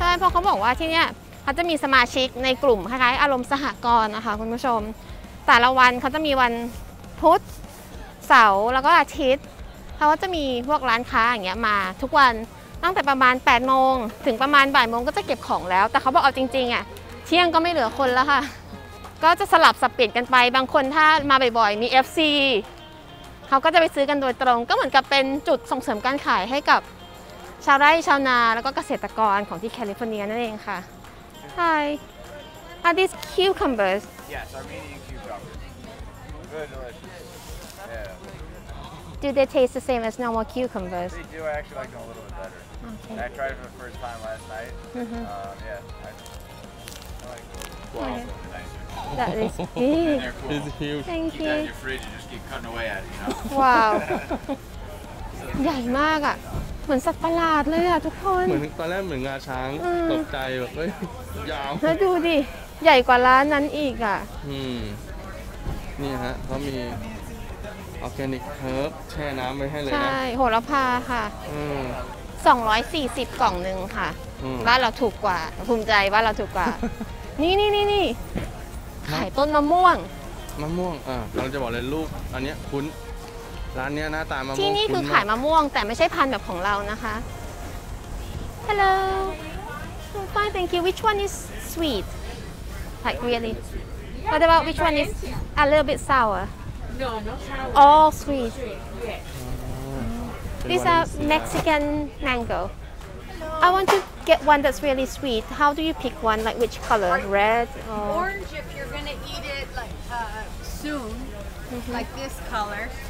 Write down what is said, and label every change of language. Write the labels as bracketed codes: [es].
[th] เพราะเขาบอกว่าที่นี่เขาจะมีสมาชิกในกลุ่มคล้ายๆอารมณ์สหกรณ์นะคะคุณผู้ชมแต่ละวันเขาจะมีวันพุธเสาร์แล้วก็อาทิตย์เขาก็จะมีพวกร้านค้าอย่างเงี้ยมาทุกวันตั้งแต่ประมาณ8โมงถึงประมาณบ่ายโมงก็จะเก็บของแล้วแต่เขาบอกเอาจริงๆอ่ะเที่ยงก็ไม่เหลือคนแล้วค่ะก็จะสลับสับเปลี่ยนกันไปบางคนถ้ามาบ่อยๆมี FC เขาก็จะไปซื้อกันโดยตรงก็เหมือนกับเป็นจุดส่งเสริมการขายให้กับชาวไร่ชาวนาแล้วก็เกษตรกรของที่แคลิฟอร์เนียนั่นเองค่ะ [en] Hi Are these cucumbers? Yes, Armenian cucumbers. Very delicious. Yeah. Do they taste the same as normal cucumbers? They do. I actually like them a little bit better. Okay. I tried it for the first time last night. Yeah. I like it. Wow. That is big. It's huge. Thank you. Keep that in your fridge and just keep cutting away at it, you know? Wow. [th] ใหญ่มากอ่ะเหมือนสัตว์ประหลาดเลยอ่ะทุกคน เหมือนตอนแรกเหมือนงาช้างตกใจแบบเฮ้ยยาว แล้วดูดิใหญ่กว่าร้านนั้นอีกอ่ะ นี่ฮะเขามีออร์แกนิกเฮิร์บแช่น้ำไว้ให้เลยนะ ใช่โหระพาค่ะ240กล่องนึงค่ะบ้านเราถูกกว่าภูมิใจว่าเราถูกกว่า นี่ๆๆๆขายต้นมะม่วง มะม่วงเราจะบอกเลยลูกอันเนี้ยคุ้นร้านนี้หน้าตามะม่วง ที่นี่คือขายมะม่วงแต่ไม่ใช่พันธุ์แบบของเรานะคะ [en] Hello Fine thank you Which one is sweet Like really What about which one is a little bit sour No not sour All sweet These are Mexican mango I want to get one that's really sweet How do you pick one like which color Red or Orange if you're gonna eat it like soon like this color